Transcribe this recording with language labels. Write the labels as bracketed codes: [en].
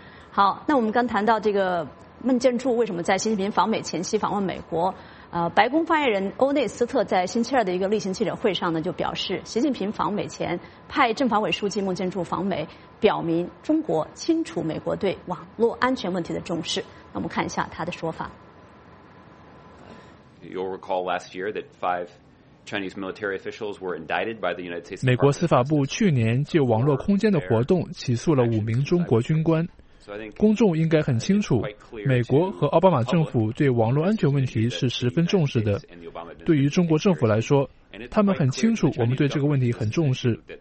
[zh] 好，那我们刚谈到这个孟建柱为什么在习近平访美前夕访问美国，白宫发言人欧内斯特在星期二的一个例行记者会上呢，就表示习近平访美前派政法委书记孟建柱访美，表明中国清楚美国对网络安全问题的重视。那我们看一下他的说法。 [en] You'll recall last year that five Chinese military officials were indicted by the United States. [zh] 美国司法部去年就网络空间的活动起诉了5名中国军官。公众应该很清楚，美国和奥巴马政府对网络安全问题是十分重视的。对于中国政府来说，他们很清楚我们对这个问题很重视。